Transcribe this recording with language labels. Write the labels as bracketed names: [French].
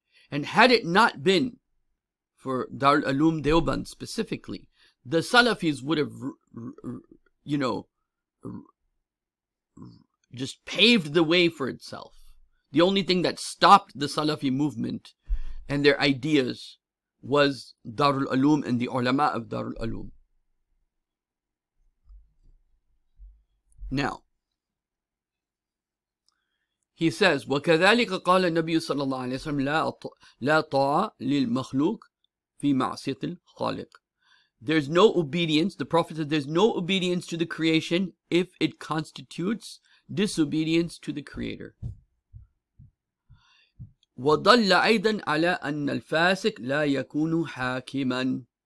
[English] And had it not been for Darul Uloom Deoband specifically, the Salafis would have, you know, just paved the way for itself. The only thing that stopped the Salafi movement and their ideas was Darul Uloom and the ulama of Darul Uloom. Now, he says, [Arabic] وَكَذَلِكَ قَالَ النَّبِيُّ صَلَّى اللَّهُ عَلَيْهِ وَسَلَّمَ لَا طَاعَ لِلْمَخْلُوقِ فِي مَعْصِيَةِ الْخَالِقِ. [English] There's no obedience, the Prophet said, there's no obedience to the creation if it constitutes disobedience to the Creator. [Arabic] وَضَلَّ أَيْضًا عَلَىٰ أَنَّ الْفَاسِقِ لَا يَكُونُ حَاكِمًا.